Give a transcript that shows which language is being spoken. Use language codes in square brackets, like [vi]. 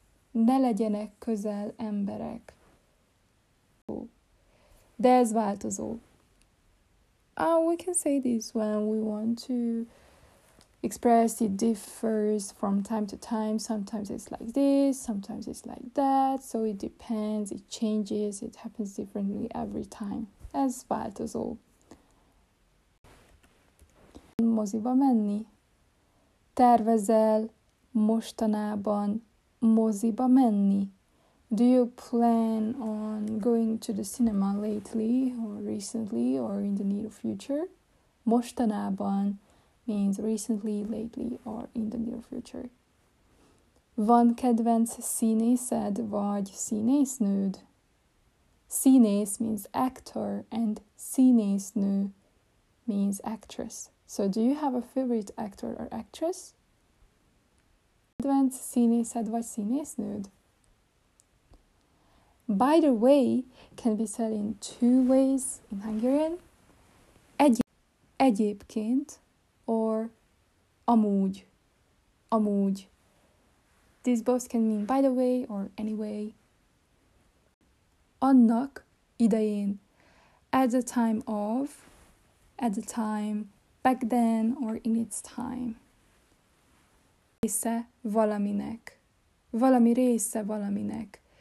[hu] Ne legyenek közel emberek. De ez változó. [en] We can say this when we want to express it differs from time to time. Sometimes it's like this, sometimes it's like that. So it depends, it changes, it happens differently every time. [hu] Ez változó. Moziba menni? Tervezel mostanában moziba menni? [en] Do you plan on going to the cinema lately or recently or in the near future? Mostanában means recently, lately or in the near future. [hu] Van kedvenc színészed vagy színésznőd? [en] Színész means actor and színésznő means actress. So do you have a favorite actor or actress? [hu] Kedvenc színészed vagy színésznőd? [en] By the way, can be said in two ways in Hungarian. [hu] Egyébként, or amúgy, amúgy. [en] These both can mean by the way or anyway. Annak idején, at the time of, at the time, back then or in its time. [hu] Része valaminek, valami része valaminek.